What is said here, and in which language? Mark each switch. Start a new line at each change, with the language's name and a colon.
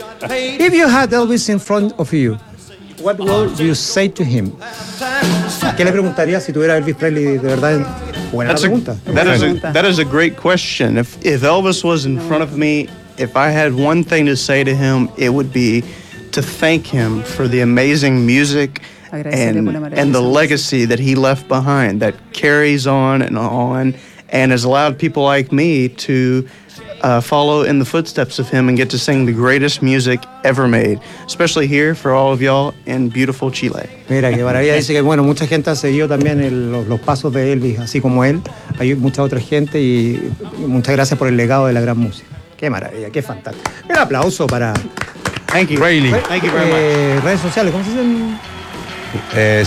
English: If you had Elvis in front of you, what would you say to him?
Spanish: ¿Qué le preguntaría si tuviera Elvis Presley de verdad? Buena pregunta.
English: That is a great question. If Elvis was in front of me, if I had one thing to say to him, it would be to thank him for the amazing music and the legacy that he left behind that carries on and has allowed people like me to follow in the footsteps of him and get to sing the greatest music ever made, especially here for all of y'all in beautiful Chile.
Spanish: Mira, que maravilla. Dice que, bueno, mucha gente ha seguido también los pasos de Elvis, así como él. Hay mucha otra gente y muchas gracias por el legado de la gran música. Qué maravilla, qué fantástico. Un aplauso para...
English: Thank you. Really. Thank you very much.
Spanish: Redes sociales, ¿cómo se dicen?